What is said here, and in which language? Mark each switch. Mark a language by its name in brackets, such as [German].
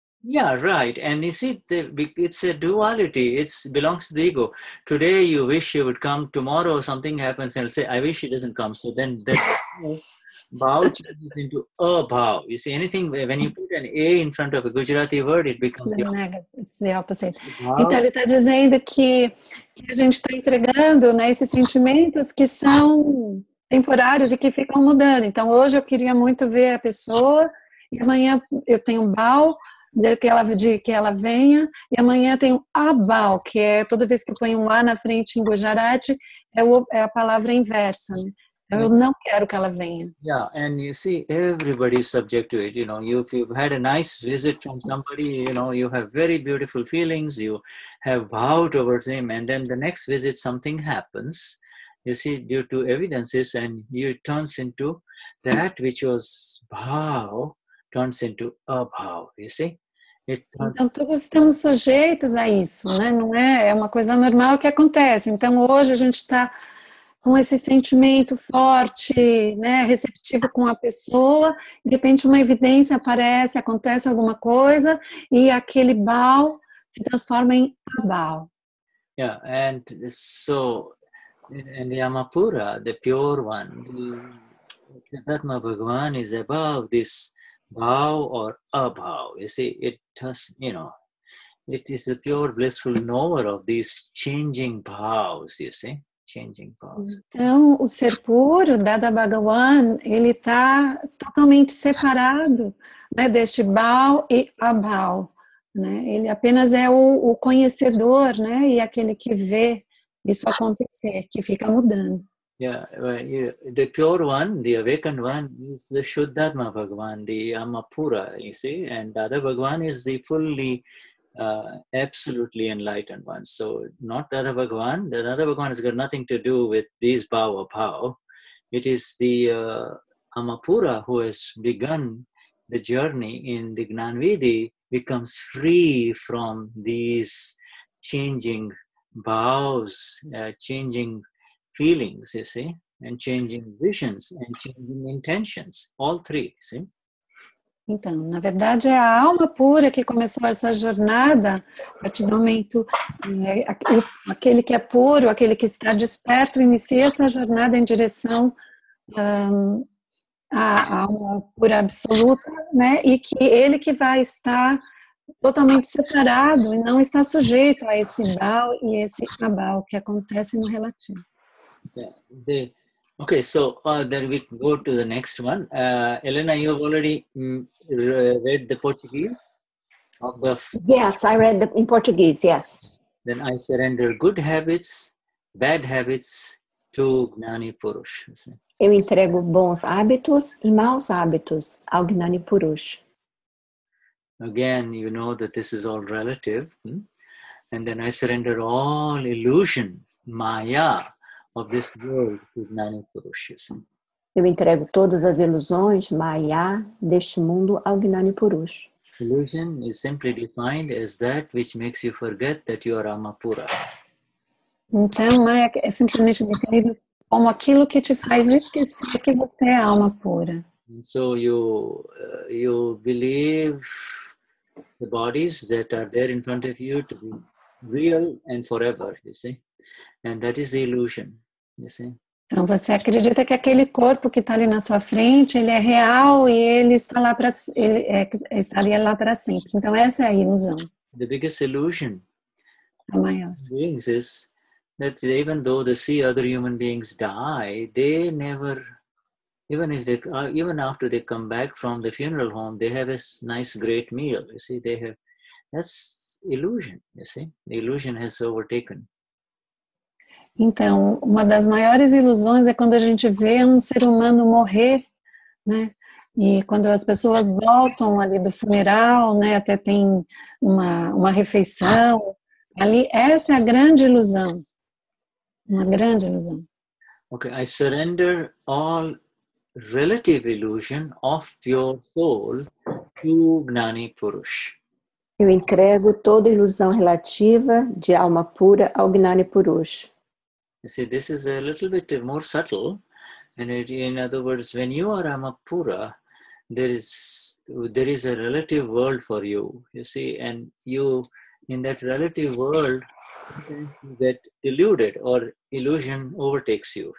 [English] Yeah, right. And you see, it's a duality. It belongs to the ego. Today you wish he would come. Tomorrow something happens and say, I wish he doesn't come. So then that bow changes into a bow. You see, anything, when you put an A in front of a Gujarati word, it becomes the opposite. It's the opposite. [Portuguese] Então ele está dizendo que a gente está entregando, né, esses sentimentos que são temporários e que ficam mudando. Então hoje eu queria muito ver a pessoa e amanhã eu tenho um bow. De que ela venha, e amanhã tem o abal, que é toda vez que eu ponho um A na frente em Gujarati, é a palavra inversa. Né? Eu não quero que ela venha. [English] Yeah, and you see, everybody is subject to it. You know, if you've had a nice visit from somebody, you know, you have very beautiful feelings, you have bow towards him, and then the next visit something happens, you see, due to evidences, and you turns into that which was bow. Turns into a bow, you see? [Portuguese] Então, todos estamos sujeitos a isso, né? Não é? É uma coisa normal que acontece. Então, hoje a gente está com esse sentimento forte, né? Receptivo com a pessoa, de repente uma evidência aparece, acontece alguma coisa, e aquele bow se transforma em a bow. [English] Yeah, and so, in the Yamapura, the pure one, the Vidhi Bhagavan is above this bhav or abhav, you see, it does, you know, it is the pure blissful knower of these changing bhavs, you see, changing bhavs. [Portuguese] Então, o ser puro, Dada Bhagavan, ele está totalmente separado, né, deste bhav e abhav, né, ele apenas é o conhecedor, né, e aquele que vê isso acontecer, que fica mudando. [English] Yeah, well, the pure one, the awakened one, is the Vishuddhatma Bhagavan, the Amapura, you see, and Dada Bhagavan is the fully, absolutely enlightened one. So, not Dada Bhagavan, the Dada Bhagavan has got nothing to do with these bhava bhava. It is the Amapura who has begun the journey in the Gnanvidhi, becomes free from these changing bhavs, changing feelings, you see, and changing visions and changing intentions, all three, see? [Portuguese] Então, na verdade, é a alma pura que começou essa jornada a partir do momento, aquele que é puro, aquele que está desperto, inicia essa jornada em direção à alma pura absoluta, né? E que ele que vai estar totalmente separado e não está sujeito a esse bal e esse abal que acontece no relativo. [English] Okay, so then we go to the next one. Elena, you have already read the Portuguese? Yes, I read in Portuguese, yes. Then I surrender good habits, bad habits to Gnani Purush. [Portuguese] Eu entrego bons hábitos e maus hábitos ao Gnani Purush. [English] Again, you know that this is all relative. And then I surrender all illusion, maya, of this world to Gnani Purush. [Portuguese] Eu entrego todas as ilusões, maya, deste mundo ao Gnani Purush. [English] Illusion is simply defined as that which makes you forget that you are Amapura. [Portuguese] Então, maya é simplesmente definido como aquilo que te faz esquecer que você é alma pura. [English] And so you believe the bodies that are there in front of you to be real and forever, you see? And that is the illusion. [Portuguese] Então você acredita que aquele corpo que está ali na sua frente, ele é real e ele está lá para estaria lá para sempre. Então essa é a ilusão. [English] The biggest illusion. [Portuguese] A maior. [English] Beings is that even though they see other human beings die, they never, even after they come back from the funeral home, they have a nice great meal. You see, they have, that's illusion. You see, the illusion has overtaken. [Portuguese] Então, uma das maiores ilusões é quando a gente vê um ser humano morrer, né? E quando as pessoas voltam ali do funeral, né? Até tem uma refeição ali. Essa é a grande ilusão. Uma grande ilusão. [English] Ok, I surrender all relative illusion of your soul to Gnani Purush. [Portuguese] Eu entrego toda ilusão relativa de alma pura ao Gnani Purush. [English] You see, this is a little bit more subtle, and in other words, when you are Amapura, there is a relative world for you. You see, and you in that relative world get deluded or illusion overtakes you.